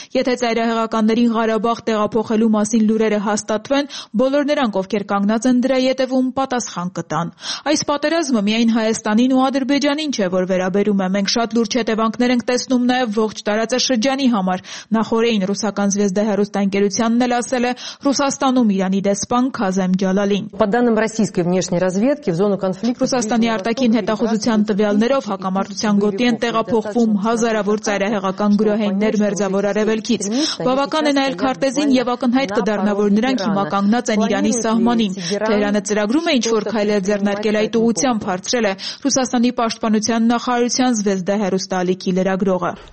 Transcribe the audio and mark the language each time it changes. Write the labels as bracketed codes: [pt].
[hy] «Եթե ծայրահեղականներին Ղարաբաղ տեղափոխելու մասին լուրերը հաստատվեն, բոլոր նրանք, ովքեր կանգնած են դրա ետևում, պատասխան կտան»։ Այս պատերազմը միայն Հայաստանին ու Ադրբեջանին չէ, որ վերաբերում է, մենք շատ լուրջ հետևանքներ ենք տեսնում նաև ողջ տարածաշրջանի համար»։ Նախորդին ռուսական զվեզդահեռուստաընկերությանն էլ ասել է Ռուսաստանում Իրանի դեսպան Քազեմ Ջալալին. [ru] По данным российской внешней разведки в зону конфликта [hy] Ռուսաստանի արտաքին հետախուզության տվյալներով հակամարտության գոտի են տեղափոխվում հազարավոր ծայրահեղական գրոհայիններ մերձավոր արևելքից։ Բավական է նաև քարտեզին և ակնհայտ կդառնա, որ նրանք հիմա կանգնած են Իրանի սահմանին։ Թեհրանը ծրագրում է ինչ-որ քայլ ձեռնարկել այդ ուղությամբ, հարցրել է Ռուսաստանի պաշտպանության նախարարության զվեզդահեռուստաալիքի լրագրողը։